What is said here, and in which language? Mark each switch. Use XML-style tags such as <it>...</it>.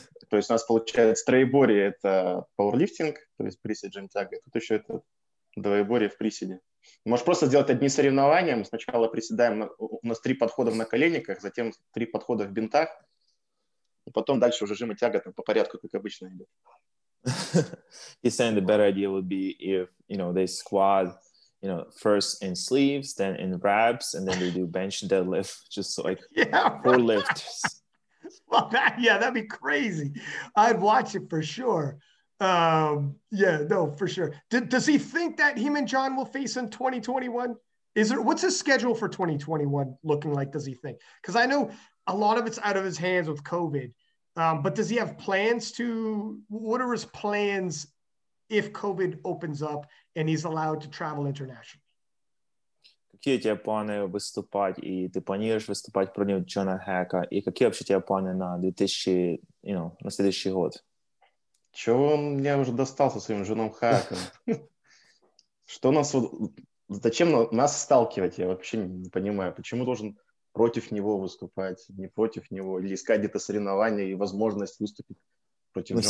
<ru>То есть у нас получается троеборье — это пауэрлифтинг, то есть присед, джим-тяг, и тут еще это двоеборье в приседе. Можешь просто сделать одни соревнования, мы сначала приседаем, у нас три подхода на коленниках, затем три подхода в бинтах, и потом дальше уже жим и тяга там по порядку, как обычно идет.</ru> <en>He's saying the better idea would be if, you know, they squat, you know, first in sleeves, then in wraps, and then they do bench deadlift, just like four lifts. Well, that'd be crazy. I'd watch it for sure. Does he think that him and John will face in 2021? What's his schedule for 2021 looking like, does he think? Because I know a lot of it's out of his hands with COVID. But does he have plans to, what are his plans if COVID opens up and he's allowed to travel internationally?</en> <ru>Какие у тебя планы выступать, и ты планируешь выступать против Джона Хэка, и какие вообще у тебя планы на 2000,</ru> <en>you know,</en> <ru>на следующий год? Чего он мне уже достал со своим Джоном Хэком? Что нас, зачем нас сталкивать, я вообще не понимаю, почему должен против него выступать, не против него, или искать где-то соревнования и возможность выступить против Джона Хэка?</ru>